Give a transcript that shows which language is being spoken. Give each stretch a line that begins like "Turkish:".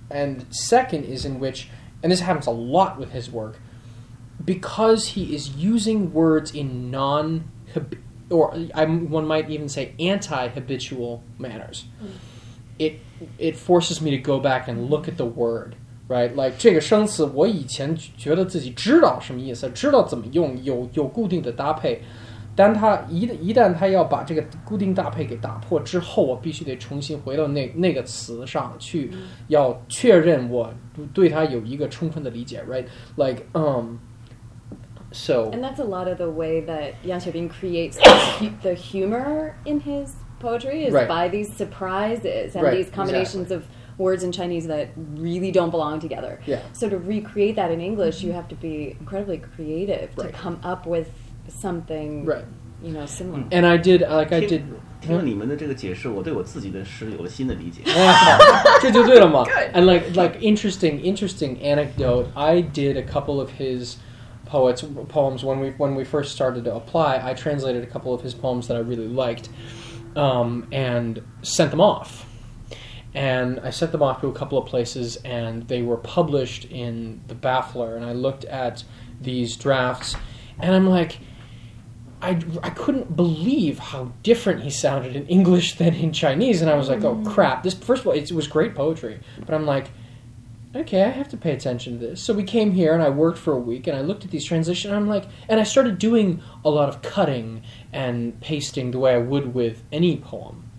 English: And second is in which, and this happens a lot with his work. Because he is using words in anti-habitual manners, it forces me to go back and look at the word, right?
Chinese: Like, 这个生词我以前觉得自己知道什么意思，知道怎么用，有固定的搭配，但他一旦他要把这个固定搭配给打破之后，我必须得重新回到那个词上去，要确认我对他有一个充分的理解,
English: right? Like, So, and that's a lot of the way that Yang Xiaobin creates the humor in his poetry is right. by these surprises and right. these combinations exactly. of words in Chinese that really don't belong together. Yeah. So to recreate that in English, mm-hmm. you have to be incredibly creative right. to come up with something right. you know, similar. And I did, like I did...
Chinese: 听了你们的这个解释，我对我自己的诗有了新的理解。这就对了吗?
English: And like interesting anecdote, I did a couple of his... poems when we first started to apply, I translated a couple of his poems that I really liked, and sent them off. And I sent them off to a couple of places, and they were published in The Baffler, and I looked at these drafts, and I'm like, I couldn't believe how different he sounded in English than in Chinese, and I was like, oh crap, this, first of all, it was great poetry, but I'm like, okay, I have to pay attention to this. So we came here, and I worked for a week, and I looked at these transitions, and I'm like, and I started doing a lot of cutting and pasting the way I would with any poem.